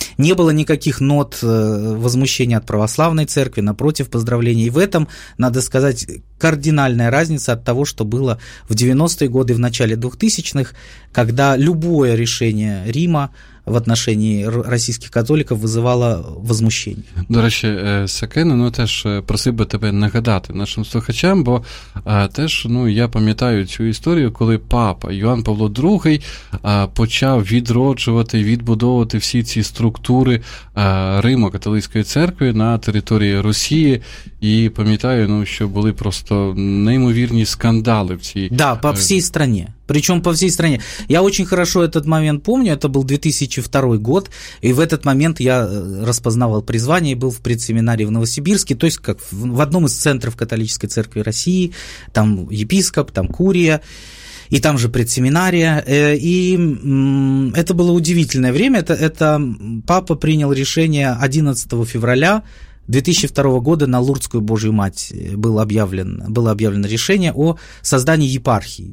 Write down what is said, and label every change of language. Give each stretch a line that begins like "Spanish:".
Russian: Не было никаких нот возмущения от православной церкви, напротив, поздравлений. И в этом, надо сказать, кардинальная разница от того, что было в 90-е годы, в начале 2000-х, когда любое решение Рима в отношении
Ukrainian: російських католіків визивало возмущення. До речі, Сакена, ну теж просив би тебе нагадати нашим слухачам, бо теж, ну, я пам'ятаю цю історію, коли папа Йоанн Павло ІІ почав відроджувати, відбудовувати всі ці структури Римо-католицької церкви на території Росії, і пам'ятаю, ну, що були просто неймовірні скандали в цій... Да, по всій країні.
Russian: Причем по всей стране. Я очень хорошо этот момент помню, это был 2002 год, и в этот момент я распознавал призвание и был в предсеминарии в Новосибирске, то есть как в одном из центров католической церкви России, там епископ, там курия, и там же предсеминария, и это было удивительное время, это папа принял решение 11 февраля, 2002 года на Лурдскую Божью Мать было объявлено решение о создании епархии.